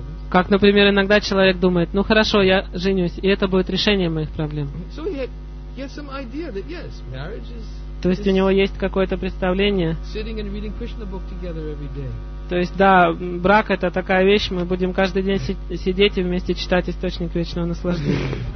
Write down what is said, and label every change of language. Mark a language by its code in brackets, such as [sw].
[ru] Как, например, иногда человек думает, ну хорошо, я женюсь, и это будет решение моих проблем. [en] So he has some idea that, yes, marriage is... [ru] То есть у него есть какое-то представление. [en] Sitting and reading Krishna book together every day. [ru] То есть, да, брак — это такая вещь, мы будем каждый день сидеть и вместе читать источник вечного наслаждения.